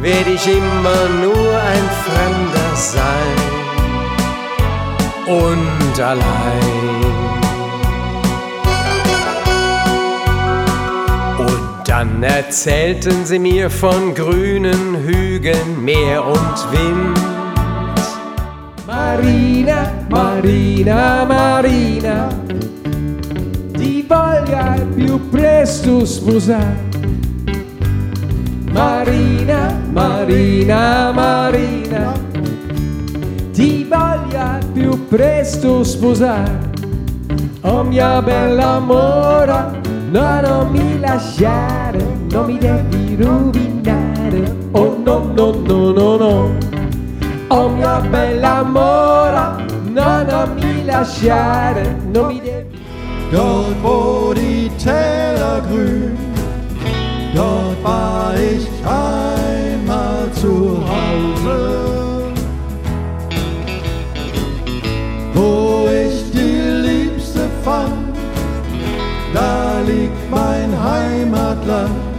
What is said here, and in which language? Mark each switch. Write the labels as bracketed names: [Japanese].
[German] Werd ich immer nur ein Fremder sein und allein. Und dann erzählten sie mir von grünen Hügeln, Meer und Wind. [Italian] Marina, Marina, Marina, ti voglia più presto sposar. Marina, Marina, Marina, ti voglia più presto sposar. Oh mia bella mora, no non mi lasciare, non mi devi rovinare. Oh no no no no no. Oh mia bella mora, no non mi lasciare, non mi devi. [German] Dort wo die Täler grün, dort war ich einmal zu Hause, wo ich die Liebste fand, da liegt mein Heimatland.